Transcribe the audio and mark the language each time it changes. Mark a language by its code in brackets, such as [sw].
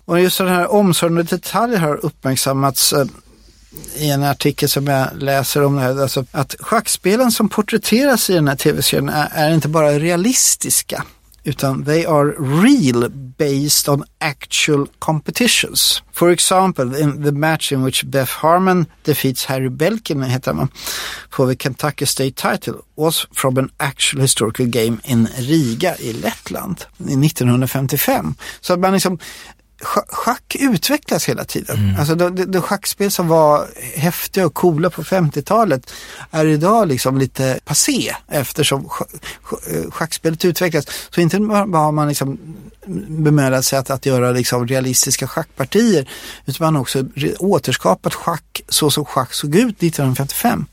[sv] Och just den här omsorgande detaljen har uppmärksammats i en artikel som jag läser om det här. Alltså att schackspelen som porträtteras i den här tv-serien är inte bara realistiska, utan [en] they are real based on actual competitions. For example, in the match in which Beth Harmon defeats Harry Belkin, [sv] heter man, [en] for the Kentucky State title, was from an actual historical game in Riga [sv] i Lettland i [en] 1955. [sv] Så man liksom, schack utvecklas hela tiden. Mm. Alltså de schackspel som var häftiga och coola på 50-talet är idag liksom lite passé, eftersom schackspelet utvecklas. Så inte bara har man liksom bemödat sig att göra liksom realistiska schackpartier, utan man har också återskapat schack så som schack såg ut 1955.